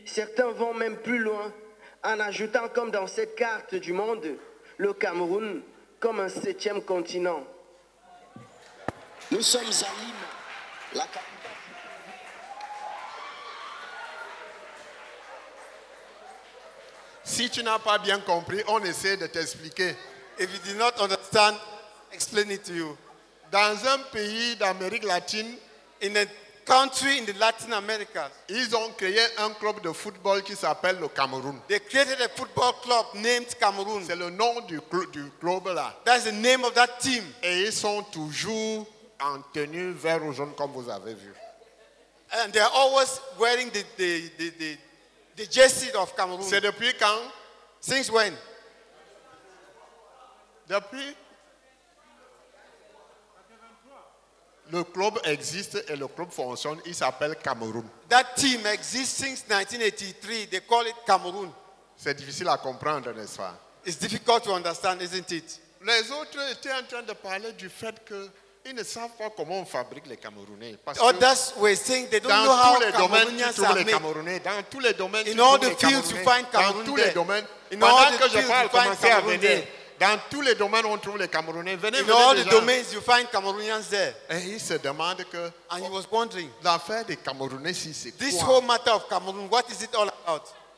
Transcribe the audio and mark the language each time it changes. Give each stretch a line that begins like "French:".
French: Certains vont même plus loin en ajoutant, comme dans cette carte du monde, le Cameroun comme un septième continent. Nous sommes à Lima, la capitale. Si tu n'as pas bien compris, on essaie de t'expliquer.
English: If you do not understand, explain it to you.
French: Dans un pays d'Amérique latine,
English: in a country in the Latin America,
French: ils ont créé un club de football qui s'appelle le Cameroun.
English: They created a football club named Cameroon.
French: C'est le nom du club là.
English: That's the name of that team.
French: Et ils sont toujours en tenue vert ou jaune comme vous avez vu.
English: And they are always wearing the jersey of Cameroon.
French: C'est depuis quand?
English: Since when?
French: Depuis? Le club existe et le club fonctionne. Il s'appelle Cameroun.
English: That team exists since 1983. They call it Cameroon.
French: C'est difficile à comprendre, n'est-ce pas?
English: It's difficult to understand, isn't it?
French: Les autres étaient en train de parler du fait que ils ne savent pas comment on fabrique les Camerounais. Parce que
English: others were saying they don't know how Cameroonians are made.
French: Camerounais, dans tous les domaines,
English: in all the fields you find Cameroun.
French: Dans tous les domaines, pendant que je parle, commencez à venir. Dans tous les domaines, on trouve les Camerounais. Venez,
English: in all the domains, you find Cameroonians there.
French: Et il se demande que.
English: And he was wondering.
French: L'affaire des Camerounais, si c'est quoi?
English: This whole matter of Cameroon, what is it all about?